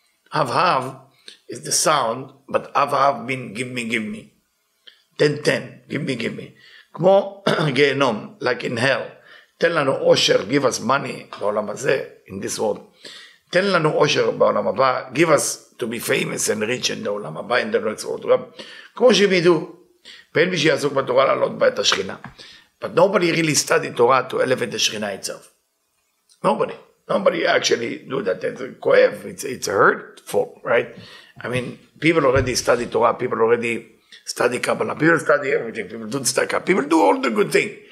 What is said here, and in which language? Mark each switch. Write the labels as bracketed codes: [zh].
[en] Hav-hav is the sound, but hav-hav means give me, give me. Ten-ten, give me, give me. [he] כמו גיהנום, [en] like in hell, [he] תן לנו עושר, [en] give us money [he] בעולם הזה, [en] in this world. [he] תן לנו עושר בעולם הבא, [en] give us to be famous and rich in the עולם הבא, in the next world. [he] כמו שהם ידעו, ואין מי שיעסוק בתורה לעלות בה את השכינה. [en] But nobody really studied Torah to elevate the שכינה itself. Nobody. Nobody actually do that. It's כואב, it's hurtful, right? I mean, people already studied Torah, people already study Kabbalah, people study everything, people don't study Kabbalah, people do all the good things.